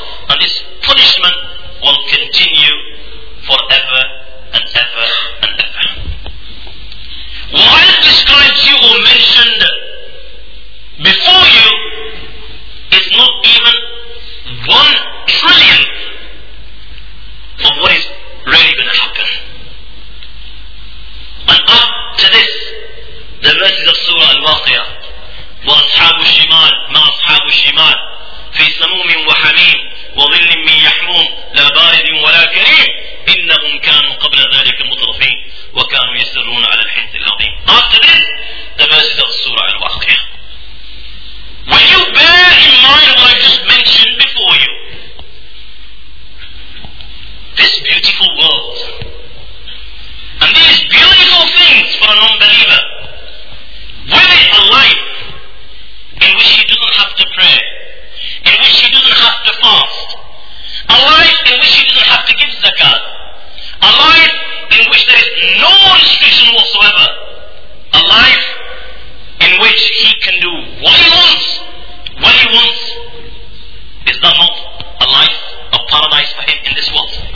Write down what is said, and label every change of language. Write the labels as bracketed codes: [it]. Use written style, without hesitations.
[en] And this punishment will continue forever and ever and ever. While described you or mentioned before you is not even 1 trillionth of what is really going to happen. And up to this, the verses of Surah Al-Waqiyah, [ar] وَأَصْحَابُ الشِّمَالِ مَا أَصْحَابُ الشِّمَالِ فِي سَمُومٍ وَحَمِيمٍ وَظِلٍّ مِّن يَحْمُومٍ لَا بَارِدٍ وَلَا كَرِيمٍ إِنَّهُمْ كَانُوا قَبْلَ ذَلِكَ مُطْرَفِينَ وَكَانُوا يَسْتَرُونَ عَلَى الْحِنْثِ الْعَظِيمِ. [en] After this, the verses of Surah Al-Waqiyah. When you bear in mind what I just mentioned before you, this beautiful world and these beautiful things for a non-believer, with it a life in which he doesn't have to pray, in which he doesn't have to fast, a life in which he doesn't have to give zakat, a life in which there is no restriction whatsoever, a life in which he can do what he wants, is that not a life of paradise for him in this world?